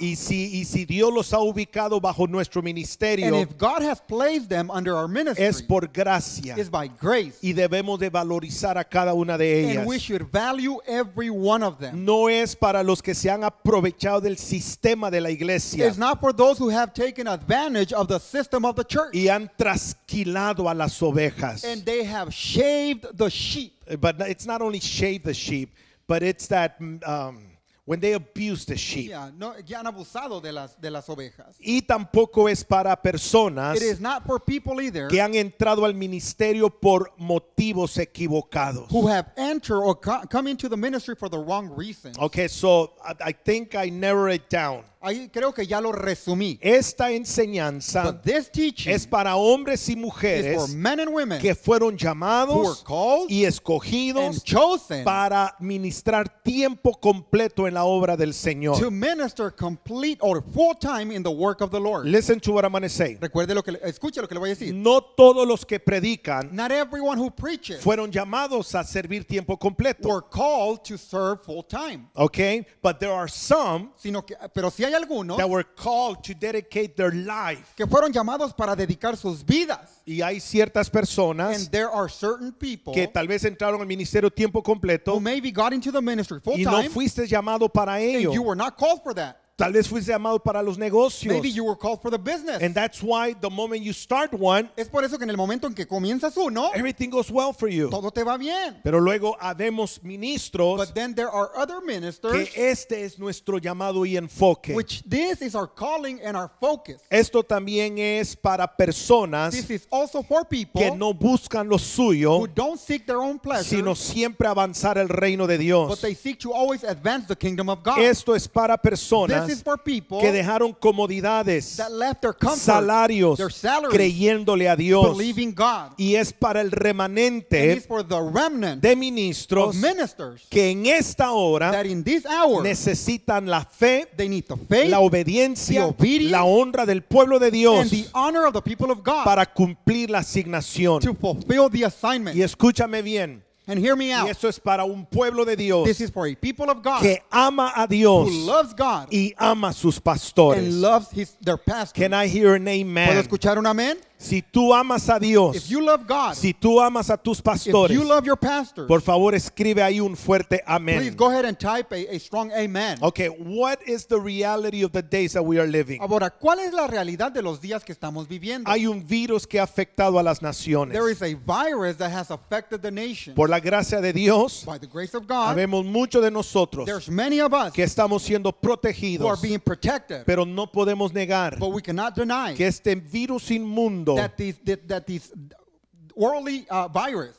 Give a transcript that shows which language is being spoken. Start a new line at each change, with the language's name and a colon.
Spanish: Y si Dios los ha ubicado bajo nuestro ministerio,
English: and if God has placed them under our ministry,
Spanish: es por gracia.
English: It's by grace.
Spanish: Y debemos de valorizar a cada una de ellas.
English: And we should value every one of them.
Spanish: No es para los que se han aprovechado del sistema de la iglesia.
English: It's not for those who have taken advantage of the system of the church.
Spanish: Y han trasquilado a las ovejas.
English: And they have shaved the sheep. But it's not only shave the sheep, but it's that when they abuse the sheep.
Spanish: Yeah, no, ya han abusado de las ovejas. Y tampoco es para personas.
English: It is not for people either.
Spanish: Que han entrado al ministerio por motivos equivocados.
English: Who have entered or come into the ministry for the wrong reasons. Okay, so I think I narrowed it down.
Spanish: Ahí creo que ya lo resumí. Esta enseñanza es para hombres y mujeres que fueron llamados y escogidos para ministrar tiempo completo en la obra del Señor.
English: To minister complete or full time in the work of the Lord. Listen to what I'm going to say.
Spanish: Recuerde lo que escuche lo que le voy a decir. No todos los que predican,
English: not everyone who preaches,
Spanish: fueron llamados a servir tiempo completo.
English: Were called to serve full time. Okay, but there are some.
Spanish: Sino que, pero si
English: that were called to dedicate their life.
Spanish: Que fueron llamados para dedicar sus vidas. Y hay ciertas personas.
English: And there are certain people.
Spanish: Que tal vez entraron al ministerio tiempo completo.
English: Who maybe got into the ministry full time.
Spanish: Y no fuiste llamado para ello.
English: And you were not called for that.
Spanish: Tal vez fuiste llamado para los negocios.
English: Maybe you were called for the business. And that's why the moment you start one.
Spanish: Es por eso que en el momento en que comienzas uno.
English: Everything goes well for you.
Spanish: Todo te va bien. Pero luego habemos ministros.
English: But then there are other ministers.
Spanish: Que este es nuestro llamado y enfoque.
English: Which this is our calling and our focus.
Spanish: Esto también es para personas.
English: This is also for people.
Spanish: Que no buscan lo suyo.
English: Who don't seek their own pleasure.
Spanish: Sino siempre avanzar el reino de Dios.
English: But they seek to always advance the kingdom of God.
Spanish: Esto es para personas.
English: This
Spanish: personas que dejaron comodidades, salarios, creyéndole a Dios. Y es para el remanente de ministros que en esta hora necesitan la fe, la obediencia, la honra del pueblo de Dios para cumplir la asignación. Y escúchame bien.
English: And hear me out.
Spanish: Y eso es para un pueblo de Dios.
English: This is for a people of God
Spanish: que ama a Dios,
English: who loves God,
Spanish: y ama sus pastores,
English: and loves his, their pastor. Can I hear an amen?
Spanish: ¿Puedo escuchar un amén? Si tú amas a Dios,
English: if you love God,
Spanish: si tú amas a tus pastores,
English: if you love your pastors,
Spanish: por favor escribe ahí un fuerte amén.
English: Please go ahead and type a strong amen. Okay, what is the reality of the days that we are living?
Spanish: Ahora, ¿cuál es la realidad de los días que estamos viviendo? Hay un virus que ha afectado a las naciones.
English: There is a virus that has affected the nation.
Spanish: Por la gracia de Dios,
English: by the grace of God,
Spanish: habemos muchos de nosotros,
English: there's many of us,
Spanish: que estamos siendo protegidos,
English: who are being protected,
Spanish: pero no podemos negar,
English: but we cannot deny,
Spanish: que este virus inmundo
English: that these worldly virus